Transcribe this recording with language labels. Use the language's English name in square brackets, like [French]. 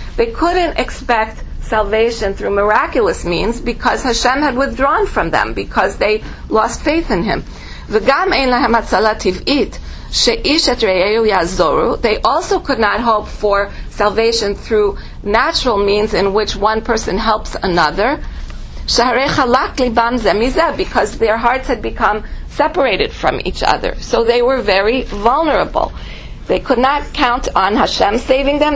[English] They couldn't expect salvation through miraculous means, because Hashem had withdrawn from them, because they lost faith in him. [Hebrew] וגם אין להם הצלה טבעית, שאיש את רעהו יעזורו. [English] They also could not hope for salvation through natural means in which one person helps another. [Hebrew] שהרי חלק ליבם זה מזה, [English] because their hearts had become separated from each other. So they were very vulnerable. They could not count on Hashem saving them.